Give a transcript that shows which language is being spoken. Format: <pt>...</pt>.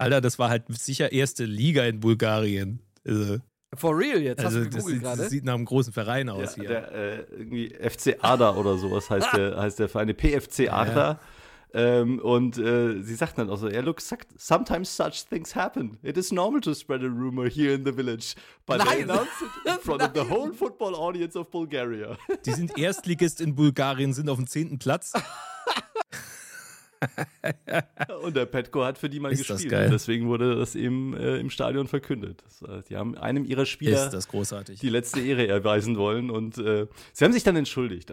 <de>Alter, das war halt sicher erste Liga in Bulgarien. Also,</de> <en>for real</en> <de>jetzt, also, hast du gegoogelt gerade? Das sieht nach einem großen Verein aus hier. Irgendwie FC Ada oder sowas heißt der Verein, PFC Ada. Ja. Sie sagt dann auch so,</de> <en>yeah, look, sometimes such things happen. It is normal to spread a rumor here in the village. But they announced it in front of the whole football audience of Bulgaria.</en> <de>Die sind Erstligist in Bulgarien, sind auf dem 10. Platz. Und der Petko hat für die mal gespielt. Ist das geil. Deswegen wurde das eben im Stadion verkündet. Die haben einem ihrer Spieler ist das großartig. Die letzte Ehre erweisen wollen. Und sie haben sich dann entschuldigt.</de>